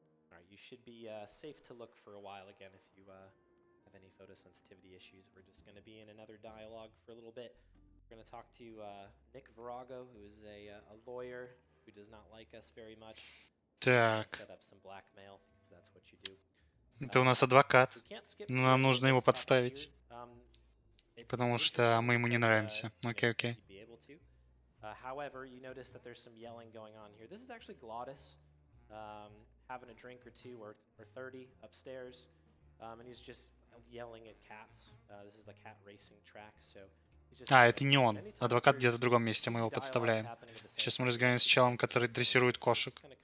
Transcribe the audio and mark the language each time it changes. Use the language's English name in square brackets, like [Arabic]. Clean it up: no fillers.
[English] All right, you should be safe to look for a while again if you have any photosensitivity issues. We're just going to be in another dialogue for a little bit. We're going to talk to Nick Virago, who is a lawyer who does not like us very much. Set up some blackmail, because that's what you do. [Russian] Это у нас адвокат. Нам нужно его подставить, потому что мы ему не нравимся. Окей, окей. [English] However, you notice that there's some yelling going on here. This is actually Glottis having a drink or two or 30 upstairs, and he's just yelling at cats. This is the cat racing track, so. [Russian] А, это не он. Адвокат где-то в другом месте, мы его подставляем. Сейчас мы разговариваем с челом, который дрессирует кошек.